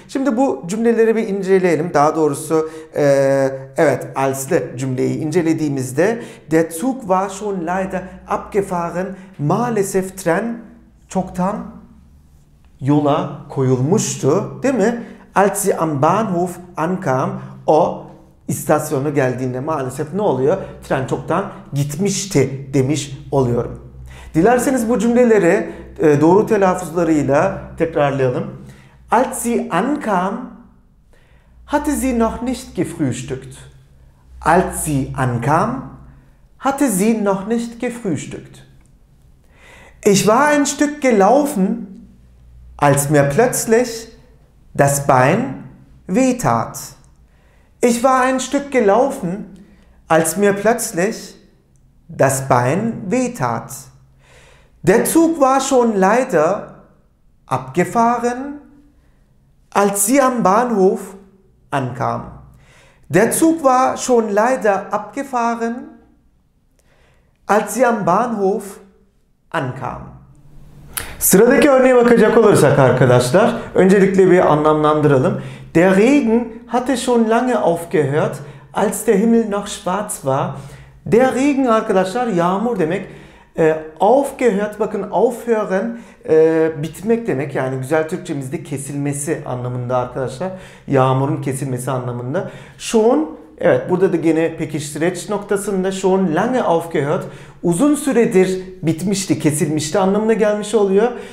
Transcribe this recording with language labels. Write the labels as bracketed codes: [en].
[tr] Şimdi bu cümleleri bir inceleyelim. Daha doğrusu evet, als'li cümleyi incelediğimizde [de] der Zug war schon leider abgefahren, [tr] maalesef tren çoktan yola koyulmuştu, değil mi? [de] Als sie am Bahnhof ankam, [tr] o istasyonu geldiğinde maalesef ne oluyor? Tren çoktan gitmişti demiş oluyorum. Dilerseniz bu cümleleri doğru telaffuzlarıyla tekrarlayalım. [de] Als sie ankam, hatte sie noch nicht gefrühstückt. Als sie ankam, hatte sie noch nicht gefrühstückt. Ich war ein Stück gelaufen, als mir plötzlich das Bein wehtat. Ich war ein Stück gelaufen, als mir plötzlich das Bein wehtat. Der Zug war schon leider abgefahren, als sie am Bahnhof ankam. Der Zug war schon leider abgefahren, als sie am Bahnhof ankam. [tr] Sıradaki örneğe bakacak olursak arkadaşlar, öncelikle bir anlamlandıralım. [de] Der Regen hatte schon lange aufgehört, als der Himmel noch schwarz war. [tr] Der Regen arkadaşlar, yağmur demek. Aufgehört, bakın aufhören, bitmek demek. Yani güzel Türkçemizde kesilmesi anlamında arkadaşlar. Yağmurun kesilmesi anlamında. Schon, evet burada da gene pekiştireç noktasında [de] schon lange aufgehört, [tr] uzun süredir bitmişti, kesilmişti anlamına gelmiş oluyor.